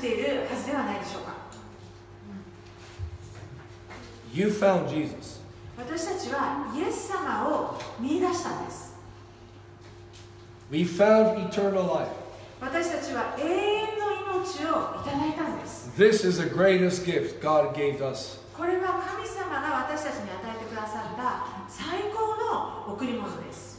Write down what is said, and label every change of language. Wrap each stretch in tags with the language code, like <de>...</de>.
<ja>ているはずではないでしょうか。</ja> <en>You found Jesus.</en> <ja>私たちはイエス様を見出したんです。</ja> <en>We found eternal life.</en> <ja>私たちは永遠の命をいただいたんです。</ja> <en>This is the greatest gift God gave us.</en> <ja>これは神様が私たちに与えてくださった最高の贈り物です。</ja>